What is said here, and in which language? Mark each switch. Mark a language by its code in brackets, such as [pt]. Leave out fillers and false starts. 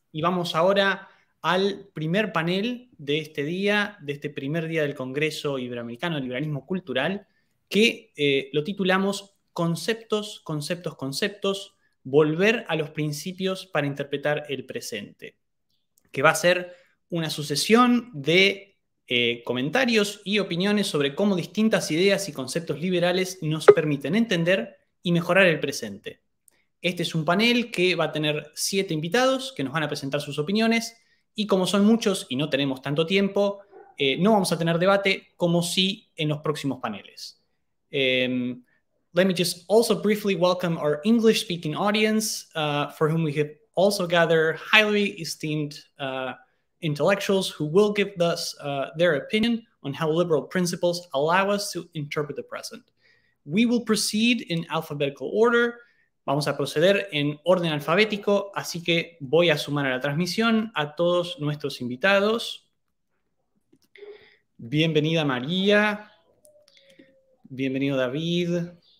[es] Y vamos ahora al primer panel de este día, de este primer día del Congreso Iberoamericano de Liberalismo Cultural, que lo titulamos Conceptos, Conceptos, Conceptos, Volver a los Principios para Interpretar el Presente, que va a ser una sucesión de comentarios y opiniones sobre cómo distintas ideas y conceptos liberales nos permiten entender y mejorar el presente. Este es un panel que va a tener 7 invitados que nos van a presentar sus opiniones y como son muchos y no tenemos tanto tiempo, no vamos a tener debate como sí en los próximos paneles. [en] Let me just also briefly welcome our English-speaking audience, for whom we have also gathered highly esteemed intellectuals who will give us their opinion on how liberal principles allow us to interpret the present. We will proceed in alphabetical order. [es] Vamos a proceder en orden alfabético, así que voy a sumar a la transmisión a todos nuestros invitados. Bienvenida María. Bienvenido David.